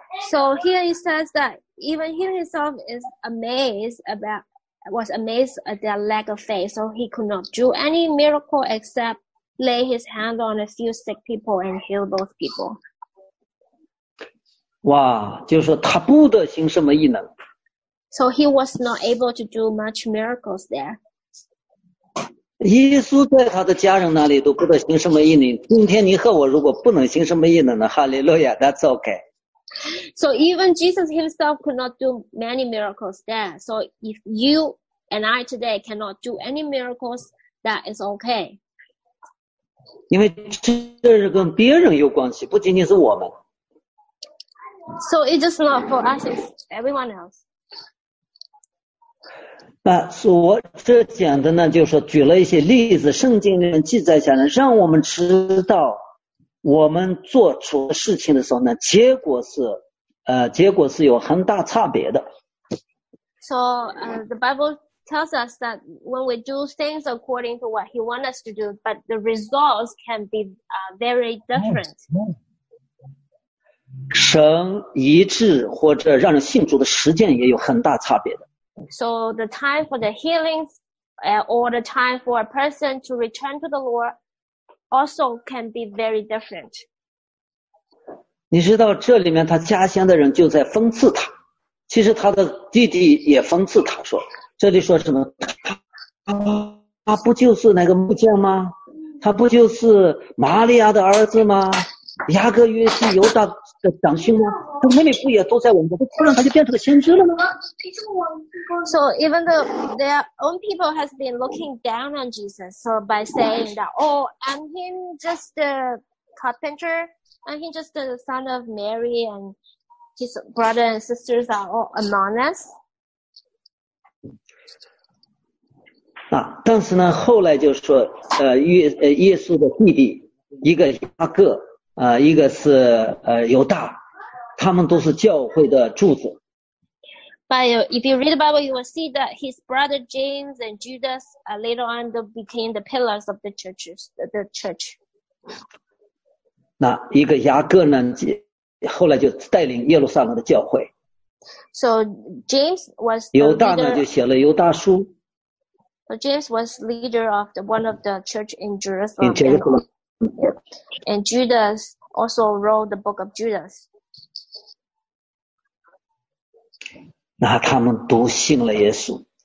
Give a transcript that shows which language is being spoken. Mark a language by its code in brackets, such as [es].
[en] so here he says that even he himself is amazed about was amazed at their lack of faith so he could not do any miracle except lay his hand on a few sick people and heal those people [zh] 哇就是说他不得行什么异能 [en] so he was not able to do much miracles there [zh] 耶稣在他的家人那里都不得行什么异能。今天你和我如果不能行什么异能呢？哈利路亚 ， [en] That's okay. So even Jesus himself could not do many miracles there. So if you and I today cannot do any miracles, that is okay. [zh] 因为这是跟别人有关系，不仅仅是我们。 [en] So it is not for us; it's everyone else. [zh] 我这讲的呢，就是说举了一些例子，圣经里面记载下来，让我们知道我们做出事情的时候呢，结果是有很大差别的。 [en] So, the Bible tells us that when we do things according to what He wants us to do, but the results can be very different. [zh] 神医治或者让人信主的时间也有很大差别的。 [en] So the time for the healings, or the time for a person to return to the Lord also can be very different. [zh] 你知道这里面他家乡的人就在讽刺他。其实他的弟弟也讽刺他说这里说什么他不就是那个木匠吗他不就是玛利亚的儿子吗雅各约是犹大的长兄吗他妹妹不也都在我们突然他就变成了先知了吗 [en] So even though their own people has been looking down on Jesus so by saying that oh I'm him just the carpenter I'm him just the son of Mary and his brother and sisters are all among us [zh] 但是呢后来就说耶稣的弟弟一个雅各一个是犹大他们都是教会的柱子。 [en] But if you read the Bible, you will see that his brother James and Judas later on they became the pillars of the church. [zh] 那一个雅各呢后来就带领耶路撒冷的教会。 [en] So James was [zh] 犹大呢就写了犹大书。 [en] So James was leader of one of the church in Jerusalem. In Jerusalem. And Judas also wrote the book of Judas. [zh] 那他们都信了耶稣。